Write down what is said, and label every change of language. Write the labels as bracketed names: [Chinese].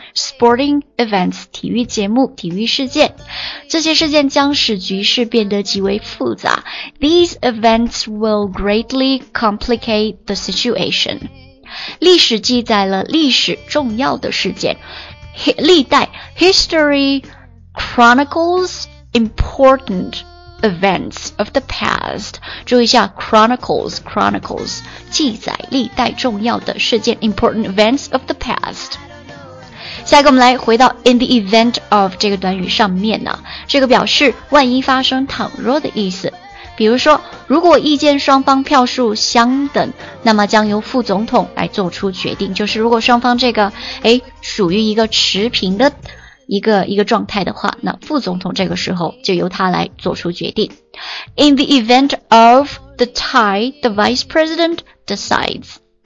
[English] Sporting events, [Chinese] 体育节目、体育事件，这些事件将使局势变得极为复杂。 [English] These events will greatly complicate the situation. [Chinese] 历史记载了历史重要的事件。历代 [English] History chronicles important events of the past. [Chinese] 注意一下 chronicles, 记载历代重要的事件 [English] important events of the past. [Chinese] 下一个我们来回到 [English] in the event of [Chinese] 这个短语上面呢、啊、这个表示万一发生倘若的意思。比如说如果意见双方票数相等，那么将由副总统来做出决定，就是如果双方这个属于一个持平的一个状态的话，那副总统这个时候就由他来做出决定。 [English] In the event of the tie, the vice president decides.